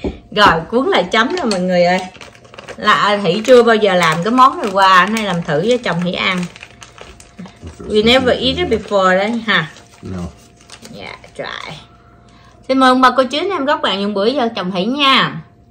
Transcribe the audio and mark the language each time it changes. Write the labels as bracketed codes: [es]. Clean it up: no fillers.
[vi] Rồi cuốn lại chấm rồi mọi người ơi. Là Thị chưa bao giờ làm cái món này qua, nay làm thử cho chồng Thị ăn. [en] We never eat it before [vi] đấy ha. [en] No. Yeah, try. [vi] Xin mời ông bà cô chú anh em các bạn những bữa cho chồng Thị nha.